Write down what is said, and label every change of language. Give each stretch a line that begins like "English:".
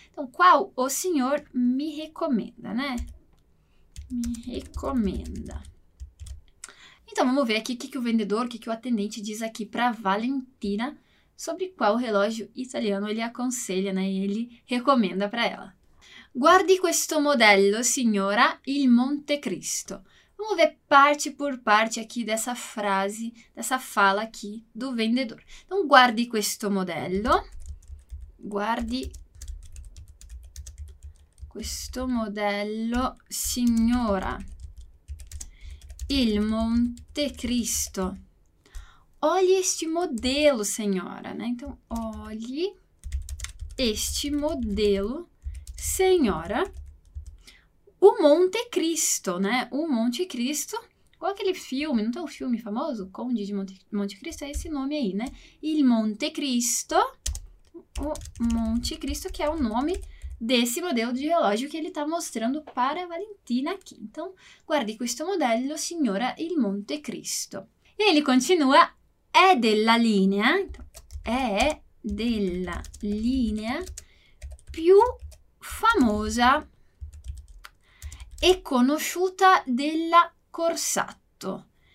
Portuguese: Então, qual o senhor me recomenda, né? Me recomenda. Então, vamos ver aqui o que o vendedor, o que o atendente diz aqui para Valentina sobre qual relógio italiano ele aconselha, né? Ele recomenda para ela.
Italian: Guardi questo modello, signora, il Monte Cristo.
Portuguese: Vamos ver parte por parte aqui dessa frase, dessa fala aqui do vendedor.
Italian: Então, guardi questo modello. Guardi questo modello, signora, il Monte Cristo.
Portuguese: Olhe este modelo, senhora, né? Então, olhe este modelo, senhora. O Monte Cristo, né? O Monte Cristo. Qual aquele filme? Não tem um filme famoso? Conde de Monte Cristo? É esse nome aí, né? Il Monte Cristo. O Monte Cristo, que é o nome desse modelo de relógio que ele está mostrando para a Valentina aqui.
Italian: Então, guardi questo modello, signora, il Monte Cristo.
Portuguese: E ele continua,
Italian: è della linea, è della linea più famosa e conosciuta della Corsatto.